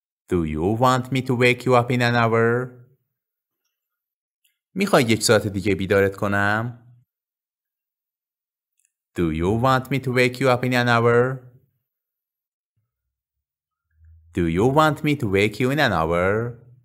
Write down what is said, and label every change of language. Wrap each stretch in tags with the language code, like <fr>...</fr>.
<en>Do you want me to wake you up in an hour?</en> <fa>میخوای یک ساعت دیگه بیدارت کنم؟</fa> <en>Do you want me to wake you up in an hour? Do you want me to wake you in an hour?</en>